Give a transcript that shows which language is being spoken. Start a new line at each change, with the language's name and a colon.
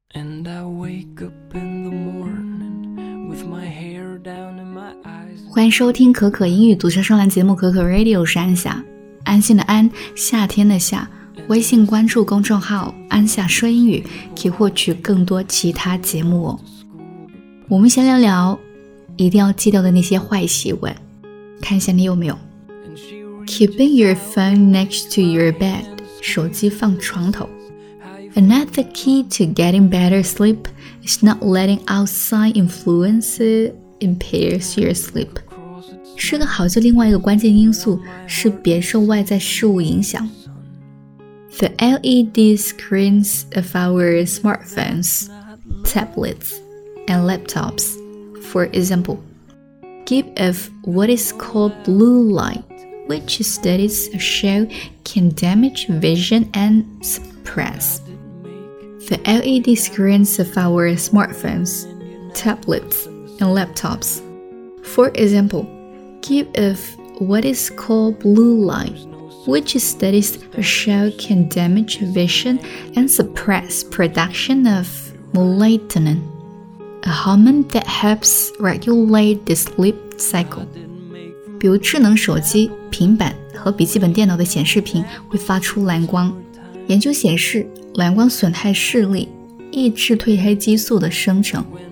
English: And I wake up in the morning with my hair down in my eyes.
Chinese: 欢迎收听可可英语读者上栏节目可可 Radio 山下安心的安夏天的夏，微信关注公众号安夏说英语，可以获取更多其他节目。我们先聊聊一定要戒掉的那些坏习惯，看一下你有没有。
English: Keeping your phone next to your bed，
Chinese: 手机放床头。
English: Another key to getting better sleep is not letting outside influences impair your sleep.
Chinese: 睡个好觉另外一个关键因素是别受外在事物影响。
English: The LED screens of our smartphones, tablets, and laptops, for example, give off what is called blue light, which studies show can damage vision and suppress. The LED screens of our smartphones, tablets, and laptops, for example, give off what is called blue light, which studies show can damage vision and suppress production of melatonin, a hormone that helps regulate the sleep cycle.
Chinese: 比如智能手机、平板和笔记本电脑的显示屏会发出蓝光。研究显示蓝光损害视力，抑制褪黑激素的生成。